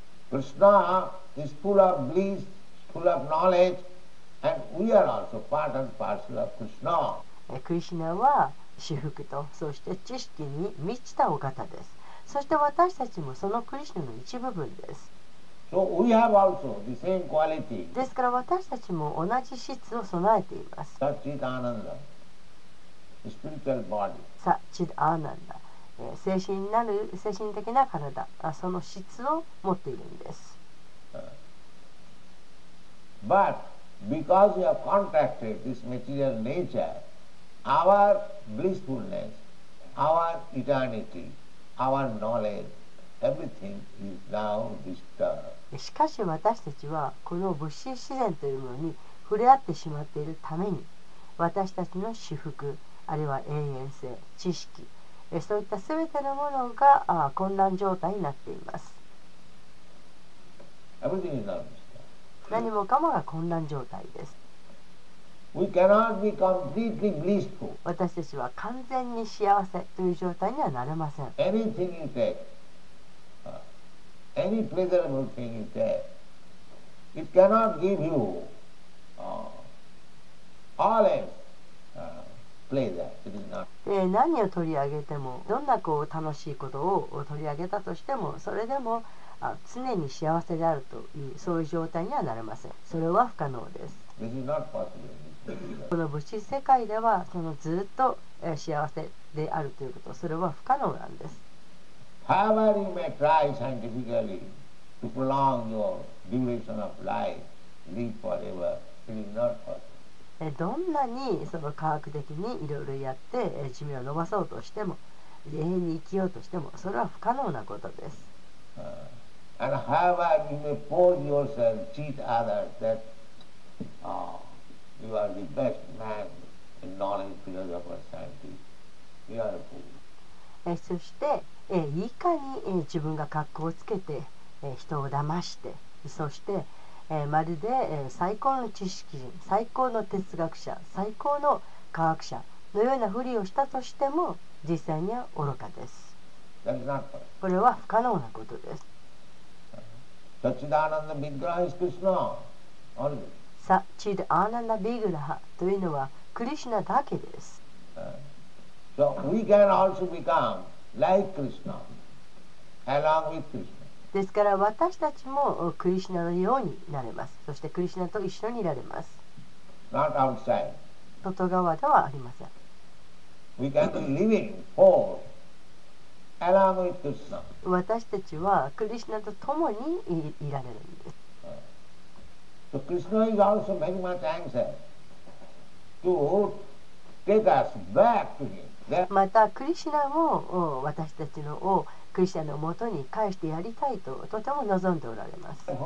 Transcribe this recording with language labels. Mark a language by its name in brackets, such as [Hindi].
[English] Krishna is full of bliss, full of knowledge, and we are also part and parcel of Krishna. [Japanese] Krishna は至福と、そして知識に満ちたお方です。そして私たちもそのクリシナの一部分です。 [English] So we have also the same quality. [Japanese] ですから私たちも同じ質を備えています。 [English] サチダーナンダ、spiritual body. [Japanese] サチダーナンダ、精神なる精神的な体、その質を持っているんです。 [English] But because we have contacted this material nature, our blissfulness, our eternity. Our knowledge, everything is now disturbed. [Japanese] しかし私たちはこの物質自然というものに触れ合ってしまっているために、私たちの至福あるいは永遠性知識、そういった全てのものが混乱状態になっています。 [English] Everything is now disturbed. [Japanese] 何もかもが混乱状態です。 [English] We cannot be completely blissful. [Japanese] 私たちは完全に幸せという状態にはなれません。 [English] Anything you take, any pleasurable thing you take, it cannot give you always pleasure. [Japanese] 何を取り上げても、どんなこう楽しいことを取り上げたとしても、それでも常に幸せであるという、そういう状態にはなれません。それは不可能です。 [English] This is not possible. [Japanese] この物質世界ではそのずっと幸せであるということ、それは不可能なんです。 [English] However you may try scientifically to prolong your duration of life, live forever, it is not possible. [Japanese] どんなにその科学的にいろいろやって寿命を延ばそうとしても、永遠に生きようとしても、それは不可能なことです。 [English] And however you may pose yourself, cheat others that You are the best man in knowledge, philosopher, scientist. You are a fool. [Japanese] そして、いかに、自分が格好をつけて、人を騙して、そして、まるで、最高の知識人、最高の哲学者、最高の科学者のようなふりをしたとしても、実際には愚かです。 [English] That is not possible. [Japanese] これは不可能なことです。 [Sanskrit] サチダーナンダ・ビッグラハ・クリシナ。 [Japanese] サチッアナンダビグラハというのはクリシナだけです。 [English] So we can also become like Krishna, along with Krishna. [Japanese] ですから私たちもクリシナのようになれます。そしてクリシナと一緒にいられます。 [English] Not outside. [Japanese] 外側ではありません。 [English] We can be living whole along with Krishna. [Japanese] 私たちはクリシナと共にいられるんです。 [English] So Krishna is also very much anxious to take us back to him. [Japanese] またクリシナも私たちのをクリシナの元に返してやりたいととても望んでおられます。